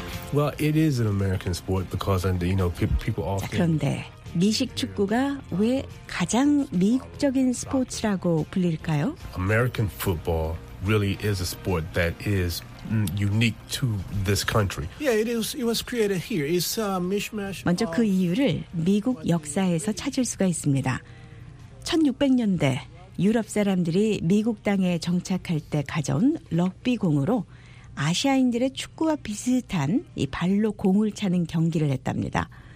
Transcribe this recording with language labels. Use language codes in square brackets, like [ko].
[en] Well, it is an American sport because, and you know, people often. [ko] 자, 그런데 미식축구가 왜 가장 미국적인 스포츠라고 불릴까요? [en] American football really is a sport that is unique to this country. Yeah, it is. It was created here. It's a mishmash. [ko] 먼저 그 이유를 미국 역사에서 찾을 수가 있습니다. 1600년대. 유럽 사람들이 미국 땅에 정착할 때 가져온 럭비공으로 아시아인들의 축구와 비슷한 이 발로 공을 차는 경기를 했답니다.